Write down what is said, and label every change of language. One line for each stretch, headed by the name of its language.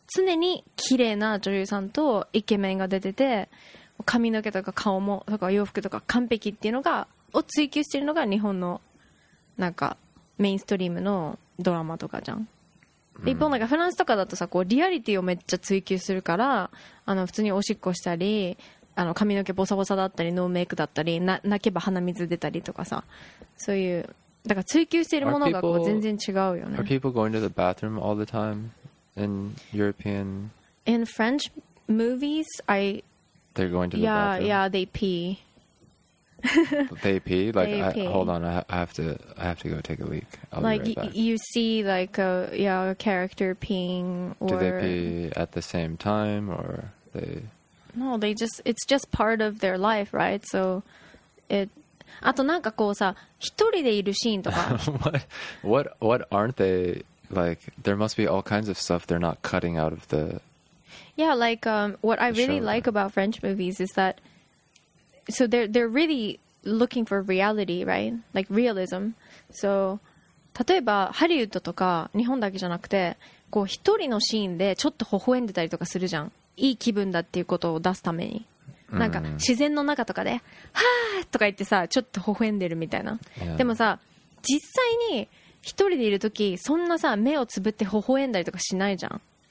Japanese: 常に綺麗な女優さんとイケメンが出てて、髪の毛とか顔もとか洋服とか完璧っていうのがを追求してるのが日本のなんかメインストリームのドラマとかじゃん、うん、一方なんかフランスとかだとさこうリアリティをめっちゃ追求するからあの普通におしっこしたりあの髪の毛ボサボサだったりノーメイクだったり泣けば鼻水出たりとかさそういうだから追求してるものがこう全然違うよね
English: Are people going to the bathroom all the time in European In French movies I They're going to the yeah, bathroom. Yeah, they pee. they pee? Like, they pee. I have to go take a leak. I'll like, be right back. You see, like, a, yeah, a character peeing or... Do they pee at the same time or they... No, they just... It's just part of their life, right? So, it...
Japanese: あとなんかこうさ、一人でいるシーンとか。
English: What aren't they... Like, there must be all kinds of stuff they're not cutting out of the... Yeah, like, what I really like about French movies is that, so they're really looking for reality, right? Like, realism. So,
Japanese: 例えば、ハリウッドとか、日本だけじゃなくて、こう、一人のシーンでちょっと微笑んでたりとかするじゃん。いい気分だっていうことを出すために。なんか、自然の中とかで、はぁーとか言ってさ、ちょっと微笑んでるみたいな。でもさ、実際に、一人でいるとき、そんなさ、目をつぶって微笑んだりとかしないじゃん。